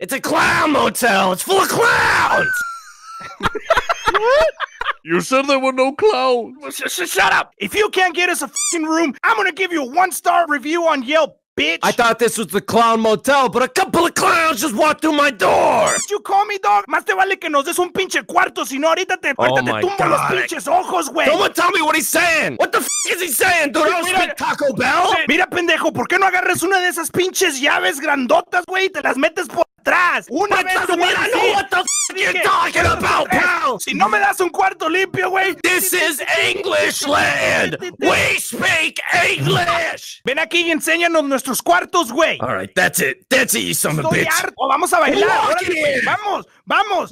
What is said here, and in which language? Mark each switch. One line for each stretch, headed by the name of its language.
English: It's a clown motel! It's full of clowns! What? You said there were no clowns! Shut up! If you can't get us a f***ing room, I'm gonna give you a one-star review on Yelp, bitch! I thought this was the Clown Motel, but a couple of clowns just walked through my door! Did you call me, dog?
Spanish: Más te vale que nos des un pinche cuarto, sino ahorita te tumbo los pinches ojos, güey!
English: Someone tell me what he's saying! What the f*** is he saying, dude? Taco Bell?
Spanish: Mira, pendejo, ¿por qué no agarras una de esas pinches llaves grandotas, güey, y te las metes por atrás? Una vez, güey,
English: I know what the f*** you're talking about, pal!
Spanish: Si no me das un cuarto limpio, güey!
English: This is English land! We speak English!
Spanish: Ven aquí y enséñanos nuestro... ¡Nuestros cuartos, güey!
English: All right, that's it. That's it, you son of a bitch.
Spanish: ¡O vamos a bailar!
English: ¡We're walking in!
Spanish: ¡Vamos! ¡Vamos!